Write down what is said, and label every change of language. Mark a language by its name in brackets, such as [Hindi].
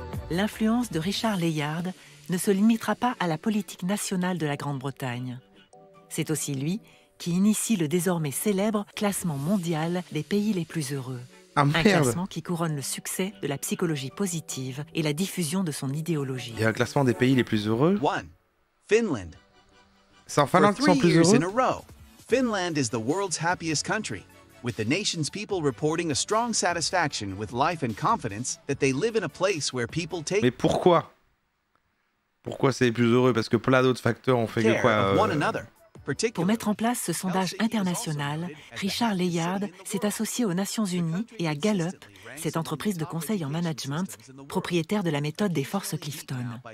[French] L'influence de Richard Layard ne se limitera pas à la politique nationale de la Grande-Bretagne. C'est aussi lui qui initie le désormais célèbre classement mondial des pays les plus heureux. Ah, merde. Un classement qui couronne le succès de la psychologie positive et la diffusion de son idéologie. Il y a un classement des pays les plus heureux. [English] One, Finland. [French] C'est en Finlande qu'ils sont plus heureux. [English] In a row, Finland is the world's happiest country, with the nation's people reporting a strong satisfaction with life and confidence that they live in a place where people take. [French] Mais pourquoi? Pourquoi c'est les plus heureux? Parce que plein d'autres facteurs ont fait que quoi. Pour mettre en place ce sondage international, Richard Layard s'est associé aux Nations Unies et à Gallup, cette entreprise de conseil en management, propriétaire de la méthode des forces Clifton.